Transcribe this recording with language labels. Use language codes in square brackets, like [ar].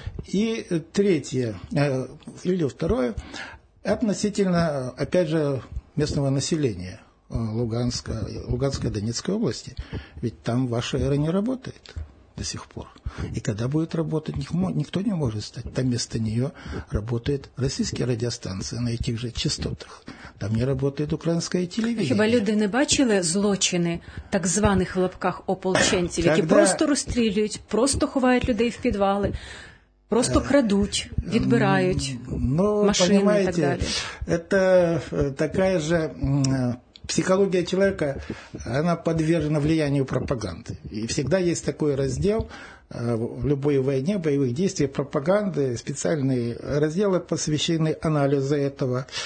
[ru] И третье, или второе, относительно, опять же, местного населения Луганской, Донецкой области. Ведь там ваша эра не работает до сих пор. И когда будет работать, никто не может стать. Там вместо нее работают российские радиостанции на этих же частотах. Там не работает украинское телевидение. [uk] Хіба люди не бачили злочини так званих в лапках ополченців, які просто розстрілюють, просто ховають людей в підвали? Просто крадуть, відбирають ну, машини і так далі. Ну, [ru] это такая же психология человека, она подвержена влиянию пропаганды. И всегда есть такой раздел в любой войне, боевых действий, пропаганды, специальные разделы, посвященные анализу этого.